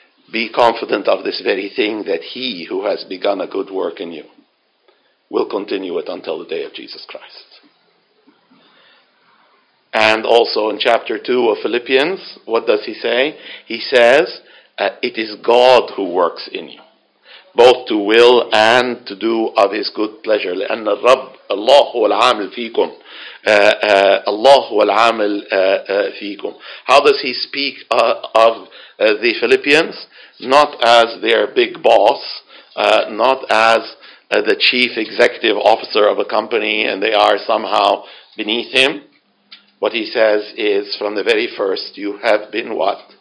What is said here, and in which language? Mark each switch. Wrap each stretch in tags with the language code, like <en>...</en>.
<en>Be confident of this very thing, that he who has begun a good work in you will continue it until the day of Jesus Christ. And also in chapter 2 of Philippians, what does he say? He says, it is God who works in you, both to will and to do of his good pleasure.</en> <ar>لأن الرب الله هو العامل فيكم. الله هو العامل فيكم.</ar> <en>How does he speak of the Philippians? Not as their big boss, not as the chief executive officer of a company and they are somehow beneath him. What he says is, from the very first, you have been what?</en>